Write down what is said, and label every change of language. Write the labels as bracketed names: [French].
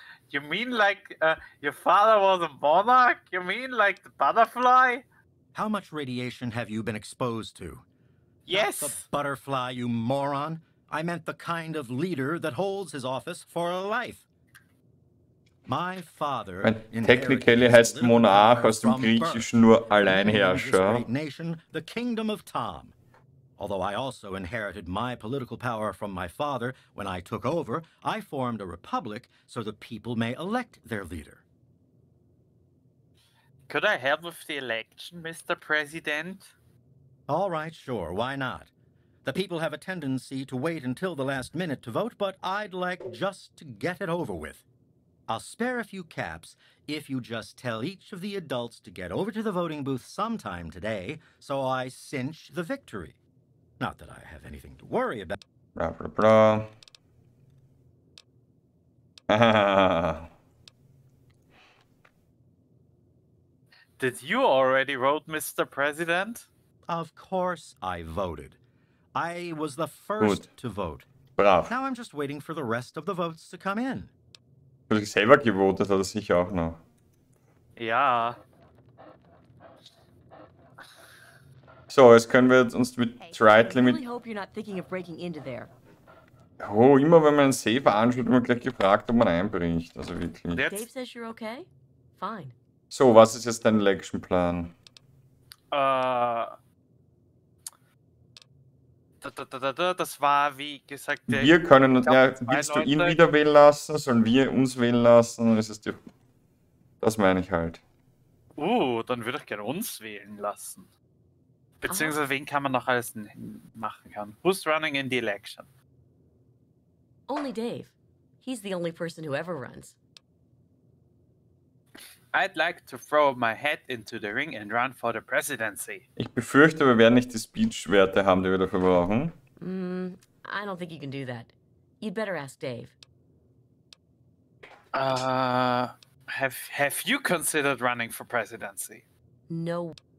[English] You mean like your father was a monarch? You mean like the butterfly? How much radiation have you been exposed to? Yes. Not the butterfly, you moron. I meant the kind of leader that holds his office for a life. My father, [German] technically, heißt Monarch aus dem Griechischen nur Alleinherrscher. [English] Nation, the Kingdom of Tom. Although I also inherited my political power from my father when I took over, I formed a republic so the people may elect their leader. Could I help with the election, Mr. President? All right, sure. Why not? The people have a tendency to wait until the last minute to vote, but I'd like just to get it over with. I'll spare a few caps if you just tell each of the adults to get over to the voting booth sometime today, so I cinch the victory. Not that I have anything to worry about. Blah, blah, blah. Ah. Did you already vote, Mr. President? Of course I voted. I was the first to vote. [German] Brav. [English] Now I'm just waiting for the rest of the votes to come in. [German] Weil ich selber gewotet hat, sicher auch noch. Ja. So, jetzt können wir uns mit Tritely mit... Oh, immer wenn man einen Safe anschaut, wird gleich gefragt, ob man einbricht. Also wirklich. [English] Dave says you're okay? Fine. [German] So, was ist jetzt dein Actionplan? Das war, wie gesagt, der... Wir können... willst du ihn wieder wählen lassen? Sollen wir uns wählen lassen? Ist es die... Das meine ich halt. Dann würde ich gerne uns wählen lassen. Beziehungsweise, wen kann man noch alles machen kann? [English] Who's running in the election? Only Dave. He's the only person who ever runs. I'd like to throw my head into the ring and run for the presidency. [German] Ich befürchte, wir werden nicht die Speech-Werte haben, die wir dafür brauchen. [English] I don't think you can do that. You'd better ask Dave. Have you considered running for presidency? No.